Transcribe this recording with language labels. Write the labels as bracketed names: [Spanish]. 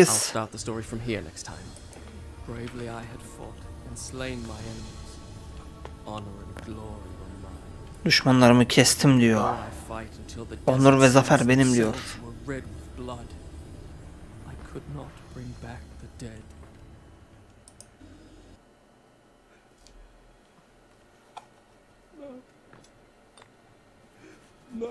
[English] I'll start the story from here next time. Bravely I had fought and slain my enemies. Honor and glory were mine. [Turkish] Düşmanlarımı kestim diyor. Onur ve zafer benim diyor. [English] I could not bring back the dead.